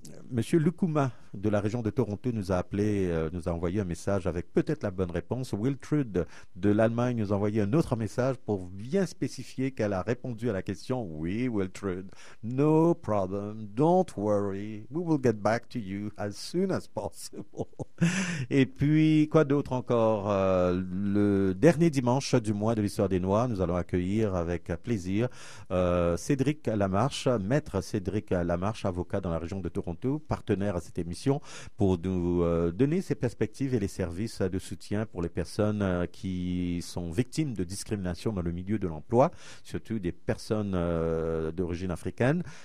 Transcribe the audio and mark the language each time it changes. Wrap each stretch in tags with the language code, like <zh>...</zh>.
<fr>Monsieur Lukuma de la région de Toronto nous a appelé, nous a envoyé un message avec peut-être la bonne réponse. Wiltrud de l'Allemagne nous a envoyé un autre message pour bien spécifier qu'elle a répondu à la question. Oui,</fr> <en>Wiltrud, no problem, don't worry, we will get back to you as soon as possible.</en> <fr>Et puis, quoi d'autre encore? Le dernier dimanche du mois de l'histoire des Noirs, nous allons accueillir avec plaisir Cédric Lamarche, maître Cédric Lamarche, avocat dans la région de Toronto, partenaire à cette émission, pour nous donner ses perspectives et les services de soutien pour les personnes qui sont victimes de discrimination dans le milieu de l'emploi, surtout des personnes d'origine africaine.</fr>